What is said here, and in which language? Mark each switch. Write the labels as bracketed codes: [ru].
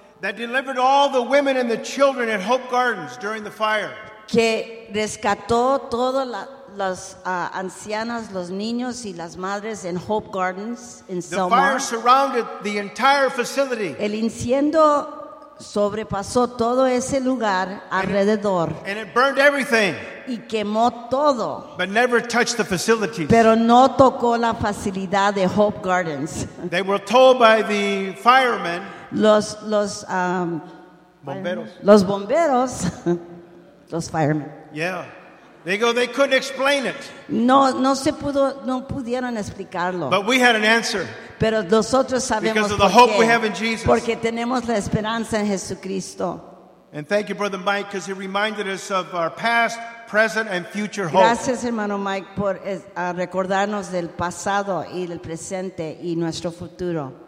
[en] that delivered all the women and the children at Hope Gardens during the fire. [es] Que rescató todas las ancianas, los niños y las madres en Hope Gardens in Selma. [en] The fire surrounded the entire facility. [es] El incendio sobrepasó todo ese lugar alrededor. [en] And it burned everything. [es] Y quemó todo. [en] But never touched the facilities. [es] Pero no tocó la facilidad de Hope Gardens. [en] They were told by the firemen. [es] Bomberos. Los bomberos. Los firemen. [en] Yeah. They go, they couldn't explain it. [es] No pudieron explicarlo. [en] But we had an answer. [es] Pero nosotros sabemos [en] because of the hope we have in Jesus. [es] Porque tenemos la esperanza en Jesucristo. [en] And thank you, Brother Mike, because he reminded us of our past, present, and future hope. [es] Gracias, hermano Mike, por recordarnos del pasado y del presente y nuestro futuro.